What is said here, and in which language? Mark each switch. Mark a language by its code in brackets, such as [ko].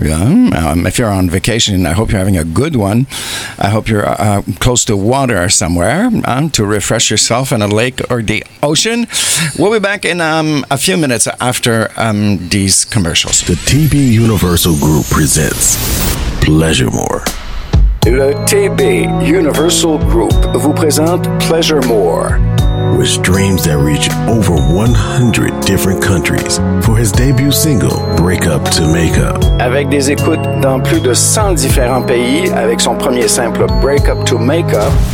[en] Yeah. If you're on vacation, I hope you're having a good one. I hope you're close to water somewhere to refresh yourself in a lake or the ocean. We'll be back in a few minutes after these commercials. The TB Universal Group presents Pleasure More. [fr] Le TB Universal Group vous présente Pleasure More. [en] With streams that reach over 100 different countries for his debut single, Break Up to Make Up. [fr] Avec des écoutes dans plus de 100 différents pays, avec son premier simple, Break Up to Make Up.